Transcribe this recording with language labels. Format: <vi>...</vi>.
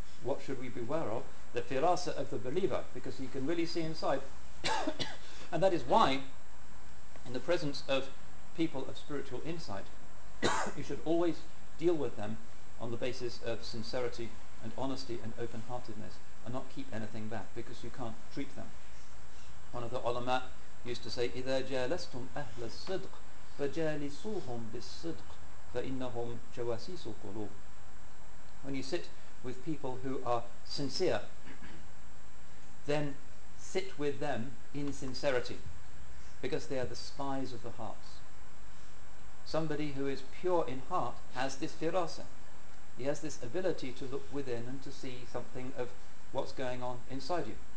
<en>What should we beware of? The firasa of the believer, because he can really see inside. And that is why, in the presence of people of spiritual insight, you should always deal with them on the basis of sincerity and honesty and open-heartedness, and not keep anything back, because you can't treat them. One of the ulama used to say,</en> <ar>إِذَا جَالَسْتُمْ أَهْلَ الصِّدْقِ فَجَالِسُوهُمْ بِالصِّدْقِ فَإِنَّهُمْ جَوَاسِيسُ الْقُلُوبِ.</ar> <en>When you sit with people who are sincere, then sit with them in sincerity, because they are the spies of the hearts. Somebody who is pure in heart has this firasa. He has this ability to look within and to see something of what's going on inside you.</en>